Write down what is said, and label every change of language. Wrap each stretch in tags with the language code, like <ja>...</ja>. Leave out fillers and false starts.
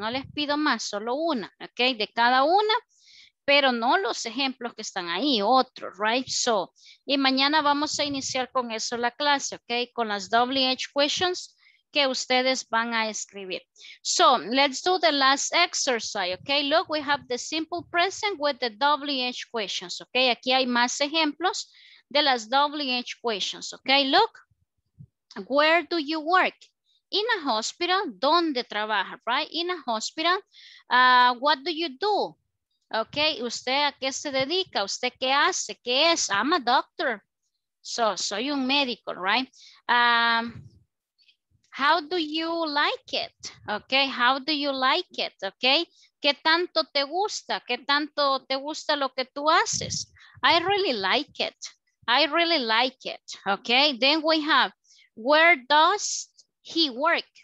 <es>No les pido más, solo una, ¿ok? De cada una, pero no los ejemplos que están ahí, otro, ¿right? So, y mañana vamos a iniciar con eso la clase, ¿ok? Con las WH questions que ustedes van a escribir.</es> <en>So, let's do the last exercise, okay? Look, we have the simple present with the WH questions, okay?</en> <es>Aquí hay más ejemplos de las WH questions, okay?</es> <en>Look, where do you work? In a hospital,</en> <es>¿dónde trabaja,</es> <en>right? In a hospital, what do you do? Okay,</en> <es>¿usted a qué se dedica? ¿Usted qué hace? ¿Qué es?</es> <en>I'm a doctor. So,</en> <es>soy un médico,</es> <en>right? How do you like it? Okay, how do you like it? Okay,</en> <es>¿qué tanto te gusta? ¿Qué tanto te gusta lo que tú haces?</es> <en>I really like it. I really like it. Okay, then we have, where does he work?</en>